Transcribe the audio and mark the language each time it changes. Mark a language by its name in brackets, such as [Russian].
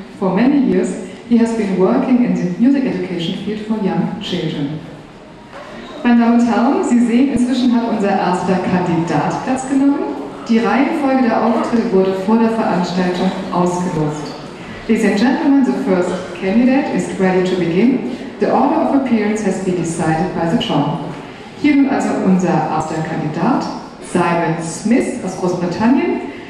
[English] For many years, he has been working in the music education field for young children. [German] Meine Damen und Herren, Sie sehen, inzwischen hat unser erster Kandidat Platz genommen. Die Reihenfolge der Auftritte wurde vor der Veranstaltung ausgelost. [English] Ladies and gentlemen, the first candidate is ready to begin. The order of appearance has been decided by the jury. [German] Hier nun also unser erster Kandidat, Simon Smith aus Großbritannien.